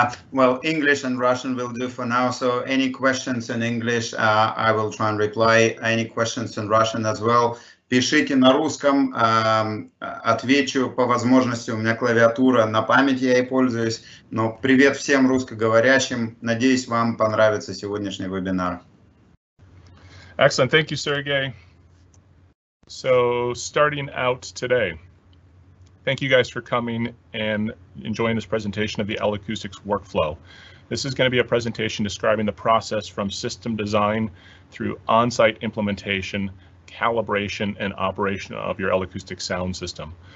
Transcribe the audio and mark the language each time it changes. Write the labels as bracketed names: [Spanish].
[English] Well, English and Russian will do for now. So any questions in English, I will try and reply. Any questions in Russian as well. [Russian] Пишите на русском, отвечу по возможности, у меня клавиатура, на память я и пользуюсь. Но привет всем русскоговорящим, надеюсь, вам понравится сегодняшний вебинар. [English] Excellent, thank you, Sergey. So, starting out today, thank you guys for coming and enjoying this presentation of the L-Acoustics workflow. This is going to be a presentation describing the process from system design through on-site implementation, calibration and operation of your L-Acoustic sound system.